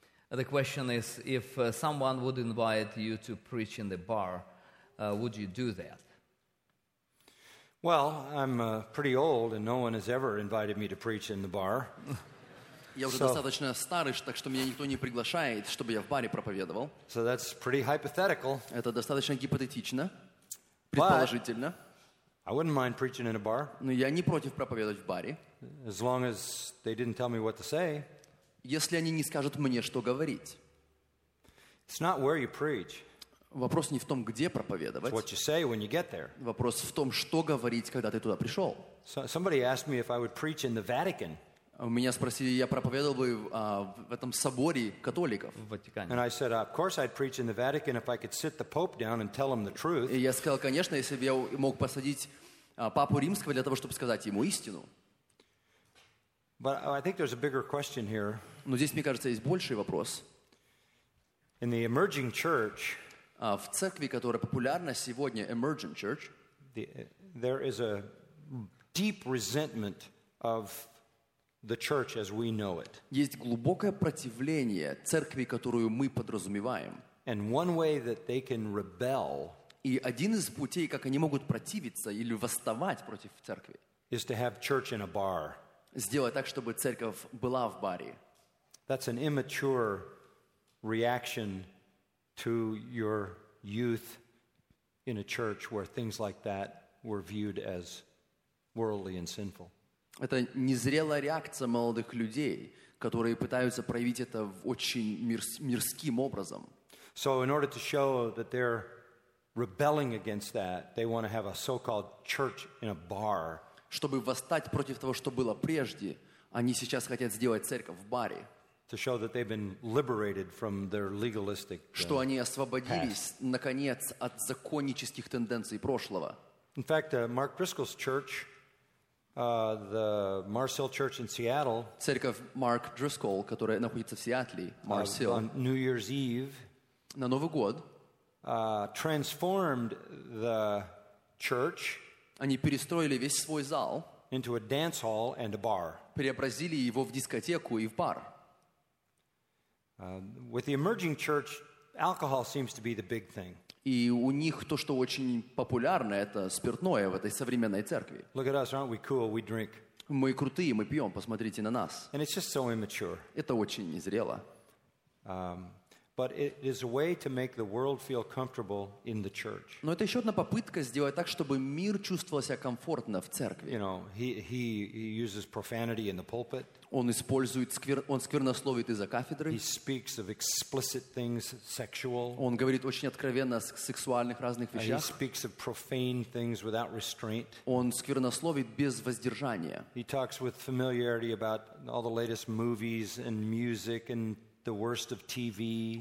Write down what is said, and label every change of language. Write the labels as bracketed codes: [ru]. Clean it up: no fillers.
[en] The question is, if someone would invite you to preach in the bar, would you do that? Well, I'm pretty old, and no one has ever invited me to preach in the bar. [ru] Я уже достаточно старый, так что меня никто не приглашает, чтобы я в баре проповедовал. [en] So that's pretty hypothetical. [ru] Это достаточно гипотетично, предположительно. [en] I wouldn't mind preaching in a bar. [ru] Но я не против проповедовать в баре. [en] As long as they didn't tell me what to say. [ru] Если они не скажут мне, что говорить. [en] It's not where you preach. [ru] Вопрос не в том, где проповедовать. [en] It's what you say when you get there. [ru] Вопрос в том, что говорить, когда ты туда пришел. [en] Somebody asked me if I would preach in the Vatican. [ru] Меня спросили, я проповедовал бы в этом соборе католиков. В Ватикане. [en] And I said, of course I'd preach in the Vatican if I could sit the Pope down and tell him the truth. [ru] И я сказал, конечно, если бы я мог посадить Папу Римского для того, чтобы сказать ему истину. [en] But I think there's a bigger question here. [ru] Но здесь, мне кажется, есть больший вопрос. [en] In the emerging church, [ru] в церкви, которая популярна сегодня, emerging church, [en] there is a deep resentment of the church as we know it. [ru] Есть глубокое противление церкви, которую мы подразумеваем. [en] And one way that they can rebel, [ru] и один из путей, как они могут противиться или восставать против церкви, [en] is to have church in a bar. [ru] Сделать так, чтобы церковь была в баре. [en] That's an immature reaction to your youth in a church where things like that were viewed as worldly and sinful. [ru] Это незрелая реакция молодых людей, которые пытаются проявить это в очень мирским образом. [en] So in order to show that they're rebelling against that, they want to have a so-called church in a bar. [ru] Чтобы восстать против того, что было прежде, они сейчас хотят сделать церковь в баре. [en] To show that they've been liberated from their legalistic past. [ru] Что они освободились наконец от законнических тенденций прошлого. [en] In fact, Mark Driscoll's church, the Mars Hill Church in Seattle, [ru] церковь Mark Driscoll, которая находится в Сиэтле, Mars Hill, [en] on New Year's Eve, [ru] на Новый год, [en] transformed the church. [ru] Они перестроили весь свой зал [en] into a dance hall and a bar. [ru] Преобразили его в дискотеку и в бар. [en] With the emerging church, alcohol seems to be the big thing. [ru] И у них то, что очень популярно, это спиртное в этой современной церкви. [en] Look at us, aren't we cool? We drink. [ru] Мы крутые, мы пьем. Посмотрите на нас. [en] And it's just so immature. [ru] Это очень незрело. [en] But it is a way to make the world feel comfortable in the church. [ru] Но это еще одна попытка сделать так, чтобы мир чувствовал себя комфортно в церкви. [en] You know, he uses profanity in the pulpit. [ru] Он сквернословит из-за кафедры. [en] He speaks of explicit things, sexual. [ru] Он говорит очень откровенно о сексуальных разных вещах. [en] He speaks of profane things without restraint. [ru] Он сквернословит без воздержания. [en] He talks with familiarity about all the latest movies and music and the worst of TV.